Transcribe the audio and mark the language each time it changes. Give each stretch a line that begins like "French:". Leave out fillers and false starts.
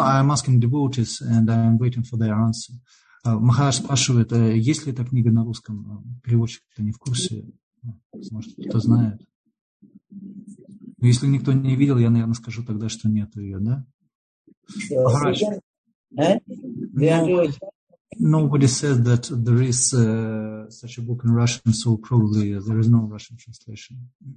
English: I am asking devotees and I am waiting for their answer.
Russian: Махарадж спрашивает, есть ли эта книга на русском? Переводчик-то не в курсе. Может, кто-то знает. Но если никто не видел, я, наверное, скажу тогда, что нет ее, да? Махарадж.
English: Nobody says that there is such a book in Russian, so probably there is no Russian translation.